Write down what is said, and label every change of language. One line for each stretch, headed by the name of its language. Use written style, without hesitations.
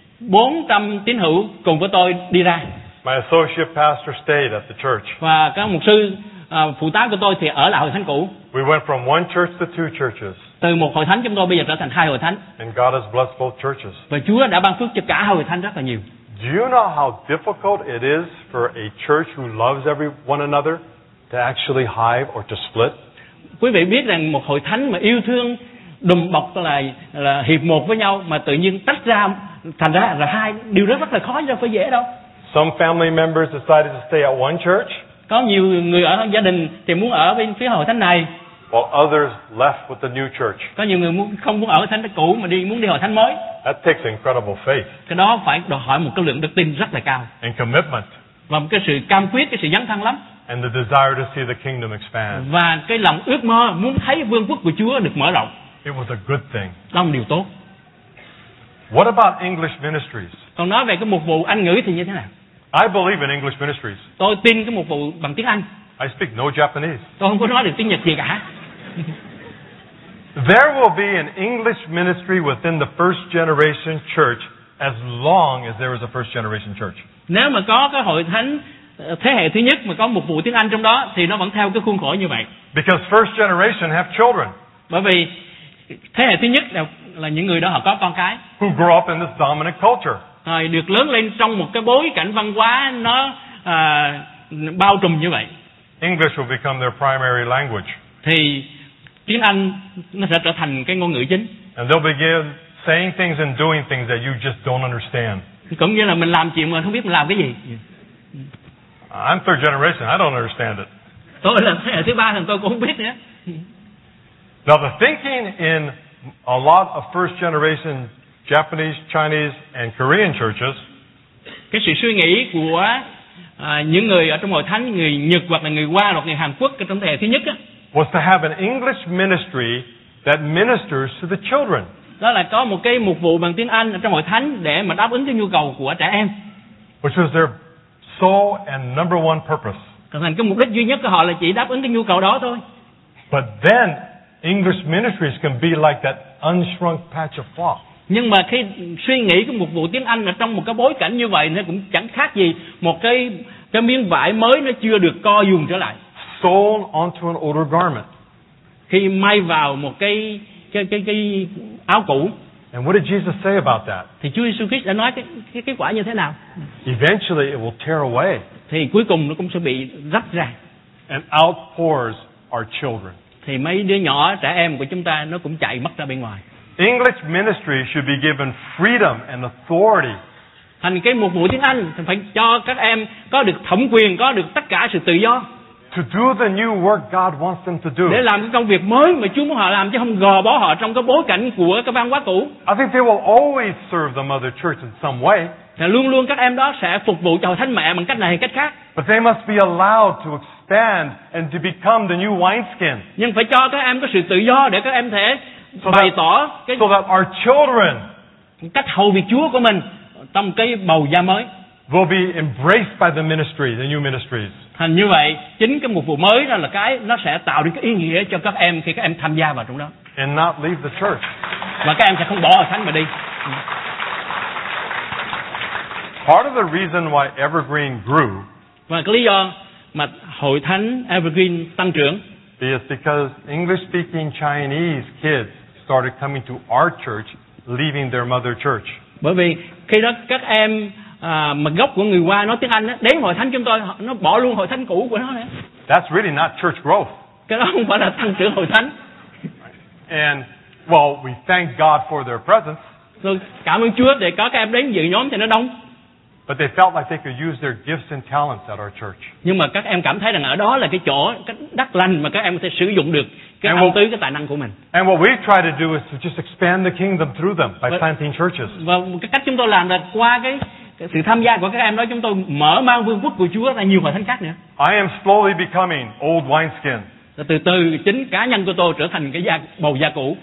Vietnamese: 400 tín hữu cùng với tôi đi ra.
English: My associate pastor stayed at the church.
Vietnamese: Và các mục sư phụ tá của tôi thì ở lại hội thánh cũ.
English: We went from one church to two churches.
Vietnamese: Từ một hội thánh chúng tôi bây giờ trở thành hai hội thánh.
English: And God has blessed both churches.
Vietnamese: Và Chúa đã ban phước cho cả hội thánh rất là nhiều.
English: Do you know how difficult it is for a church who loves everyone another to actually hive or to split?
Vietnamese: Quý vị biết rằng một hội thánh mà yêu thương đùm bọc là hiệp một với nhau mà tự nhiên tách ra thành ra là hai, điều đó rất là khó, chứ không phải dễ đâu.
English: Some family members decided to stay at one church.
Vietnamese: Có nhiều người ở gia đình thì muốn ở bên phía hội thánh này.
English: While others left with the new church.
Vietnamese: Có nhiều người không muốn ở thánh cũ mà đi muốn đi hội thánh mới.
English: That takes incredible faith.
Vietnamese: Cái đó phải đòi hỏi một cái lượng đức tin rất là cao.
English: And commitment.
Vietnamese: Và một cái sự cam quyết, cái sự dấn thân lắm.
English: And the desire to see the kingdom expand.
Vietnamese: Và cái lòng ước mơ muốn thấy vương quốc của Chúa được mở rộng.
English: It was a good thing.
Vietnamese: Đó là điều tốt.
English: What about English ministries?
Vietnamese: Còn nói về cái mục vụ Anh ngữ thì như thế nào?
English: I believe in English ministries.
Vietnamese: Tôi tin cái mục vụ bằng tiếng Anh.
English: I speak no Japanese.
Vietnamese: Tôi không có nói được tiếng Nhật gì cả.
English: There will be an English ministry within the first generation church as long as there is a first generation church.
Vietnamese: Nếu mà có cái hội thánh thế hệ thứ nhất mà có mục vụ tiếng Anh trong đó thì nó vẫn theo cái khuôn khổ như vậy.
English: Because first generation have children.
Vietnamese: Bởi vì thế hệ thứ nhất là những người đó họ có con cái.
English: Who grew up in this dominant culture.
Vietnamese: Rồi được lớn lên trong một cái bối cảnh văn hóa nó bao trùm như vậy.
English: English will become their primary language.
Vietnamese: Thì tiếng Anh nó sẽ trở thành cái ngôn ngữ chính.
English: And they'll begin saying things and doing things that you just don't understand.
Vietnamese: Cũng như là mình làm chuyện mà không biết mình làm cái gì.
English: I'm third generation. I don't understand it.
Vietnamese: Tôi là thế hệ thứ ba, thì tôi cũng không biết nữa.
English: Now the thinking in a lot of first generation Japanese, Chinese, and Korean churches.
Vietnamese: Cái sự suy nghĩ của những người ở trong hội thánh người Nhật hoặc là người Hoa hoặc người Hàn Quốc trong thế hệ thứ nhất á.
English: Was to have an English ministry that ministers to the children.
Vietnamese: Đó là có một cái mục vụ bằng tiếng Anh ở trong hội thánh để mà đáp ứng cái nhu cầu của trẻ em.
English: Which was their sole and number one purpose.
Vietnamese: Còn thành cái mục đích duy nhất của họ là chỉ đáp ứng cái nhu cầu đó thôi.
English: But then English ministries can be like that unshrunk patch of cloth.
Vietnamese: Nhưng mà khi suy nghĩ cái mục vụ tiếng Anh ở trong một cái bối cảnh như vậy thì cũng chẳng khác gì một cái miếng vải mới nó chưa được co dùng trở lại.
English: Sewn onto an older garment.
Vietnamese: Khi may vào một cái áo cũ.
English: And what did Jesus say about that?
Vietnamese: Thì Chúa Jesus Christ đã nói cái kết quả như thế nào?
English: Eventually it will tear away.
Vietnamese: Thì cuối cùng nó cũng sẽ bị rắp ra.
English: And outpours our children.
Vietnamese: Thì mấy đứa nhỏ trẻ em của chúng ta nó cũng chạy mất ra bên ngoài.
English: English ministry should be given freedom and authority.
Vietnamese: Thành cái mục vụ tiếng Anh thì phải cho các em có được thẩm quyền, có được tất cả sự tự do.
English: To do the new work God wants them to do.
Vietnamese: Để làm cái công việc mới mà Chúa muốn họ làm chứ không gò bó họ trong cái bối cảnh của cái văn hóa cũ.
English: I think they will always serve the mother church in some way.
Vietnamese: Thì luôn luôn các em đó sẽ phục vụ cho hội thánh mẹ bằng cách này hay cách khác.
English: But they must be allowed to expand and to become the new wineskin.
Vietnamese: Nhưng phải cho các em có sự tự do để các em thể bày tỏ cái
English: so that our children
Vietnamese: cách hầu việc Chúa của mình trong cái bầu da mới.
English: Will be embraced by the ministry, the new ministries.
Vietnamese: Thành như vậy, chính cái mục vụ mới đó là cái nó sẽ tạo được cái ý nghĩa cho các em khi các em tham gia vào trong đó.
English: And not leave the church.
Vietnamese: Và các em sẽ không bỏ hội thánh mà đi.
English: Part of the reason why Evergreen grew.
Vietnamese: Và cái lý do mà hội thánh Evergreen tăng trưởng.
English: Is because English-speaking Chinese kids started coming to our church, leaving their mother church.
Vietnamese: Bởi vì khi đó các em mà gốc của người Hoa nói tiếng Anh á, đến hội thánh chúng tôi nó bỏ luôn hội thánh cũ của nó nữa.
English: That's really not church growth.
Vietnamese: Cái đó không phải là tăng trưởng hội thánh.
English: And well, we thank God for their presence.
Vietnamese: Rồi cảm ơn Chúa để có các em đến dự nhóm thì nó đông.
English: But they felt like they could use their gifts and talents at our church.
Vietnamese: Nhưng mà các em cảm thấy rằng ở đó là cái chỗ đắc lành mà các em có thể sử dụng được cái ân tứ, cái tài năng của mình.
English: And what we try to do is to just expand the kingdom through them by planting churches.
Vietnamese: Và cái cách chúng tôi làm là qua cái sự tham gia của các em đó chúng tôi mở mang vương quốc của Chúa ra nhiều hội thánh khác nữa.
English: I am slowly becoming old wineskin.
Vietnamese: Từ từ chính cá nhân của tôi trở thành cái bầu da cũ.